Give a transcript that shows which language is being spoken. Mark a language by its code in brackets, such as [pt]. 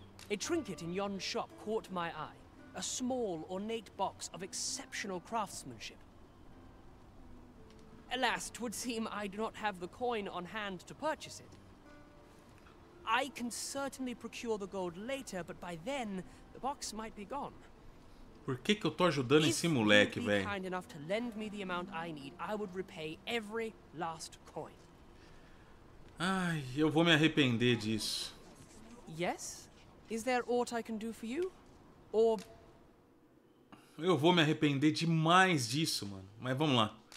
[en] A trinket in yon shop caught my eye. A small, ornate box of exceptional craftsmanship. Alas, 'twould seem I do not have the coin on hand to purchase it. I can certainly procure the gold later, but by then the box might be gone. [pt] Por que que eu tô ajudando esse moleque, velho? [en] Kind enough to lend me the amount I need, I would repay every last coin. [pt] Ai, eu vou me arrepender disso. [en] Yes? Is there aught I can do for you? Or [pt] eu vou me arrepender demais disso, mano. Mas vamos lá.